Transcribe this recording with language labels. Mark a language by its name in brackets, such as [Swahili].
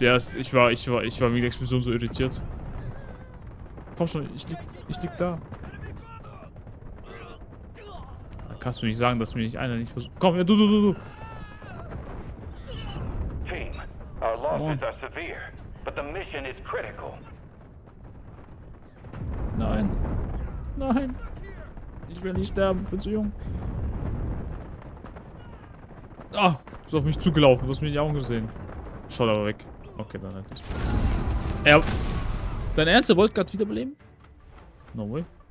[German] Ja, ich war wegen der Explosion so irritiert. Komm schon, ich lieg da. Da kannst du nicht sagen, dass mir nicht einer nicht versucht. Komm, ja, du. [English] Team, our losses are severe, but the mission is critical. [German] Nein. Ich will nicht sterben, bin zu jung. Ah, ist auf mich zugelaufen, du hast mir in die Augen gesehen. Schaut aber weg. Okay, dann halt nicht. Dein Ernst, er wollte gerade wiederbeleben? [English] No way.